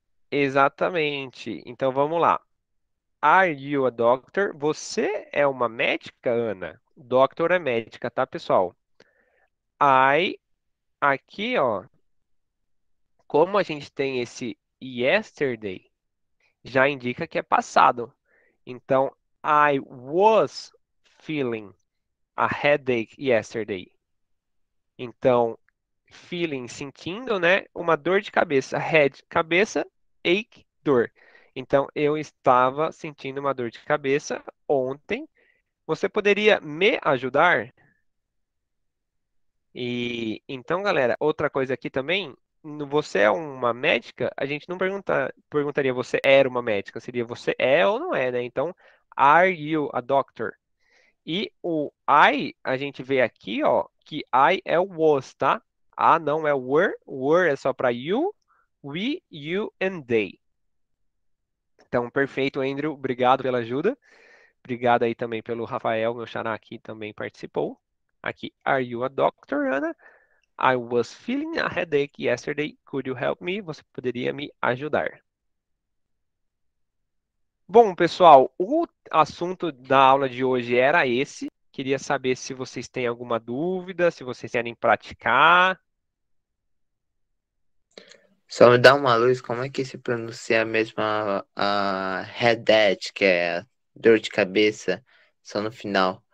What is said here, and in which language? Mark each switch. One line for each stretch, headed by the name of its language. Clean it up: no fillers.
Portuguese: Exatamente. Então vamos lá.
English: Are you a doctor?
Portuguese: Você é uma médica, Ana? Doctor é médica, tá, pessoal? I, aqui, ó. Como a gente tem esse yesterday, já indica que é passado. Então,
English: I was feeling a headache yesterday.
Portuguese: Então, feeling, sentindo, né? Uma dor de cabeça. Head, cabeça, ache, dor. Então, eu estava sentindo uma dor de cabeça ontem. Você poderia me ajudar? E então, galera, outra coisa aqui também. Você é uma médica? A gente não perguntaria você era uma médica, seria você é ou não é, né? Então,
English: are you a doctor?
Portuguese: E o I, a gente vê aqui, ó, que I é o was, tá? A não é o were. Were é só para you, we, you and they. Então, perfeito, Andrew. Obrigado pela ajuda. Obrigado aí também pelo Rafael, meu xará aqui também participou.
English: Aqui, are you a doctor, Ana? I was feeling a headache yesterday. Could you help me?
Portuguese: Você poderia me ajudar? Bom, pessoal, o assunto da aula de hoje era esse. Queria saber se vocês têm alguma dúvida, se vocês querem praticar. Só me dá uma luz, como é que se pronuncia mesmo a headache, que é dor de cabeça, só no final.